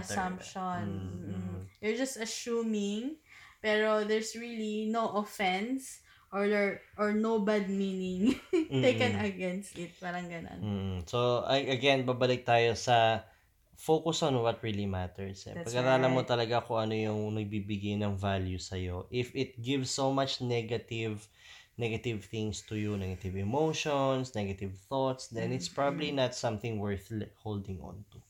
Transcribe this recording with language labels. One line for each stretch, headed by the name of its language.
English: Assumption. Mm-hmm. You're just assuming. Pero there's really no offense or no bad meaning taken against it.
Filipino: Parang ganun. Mm.
English: So, again,
Filipino: babalik tayo sa
English: focus on what really matters. Eh.
Filipino: Pag-aralan mo talaga kung ano yung nagbibigay ng value sa'yo.
English: If it gives so much negative things to you, negative emotions, negative thoughts, then it's probably not something worth holding on to.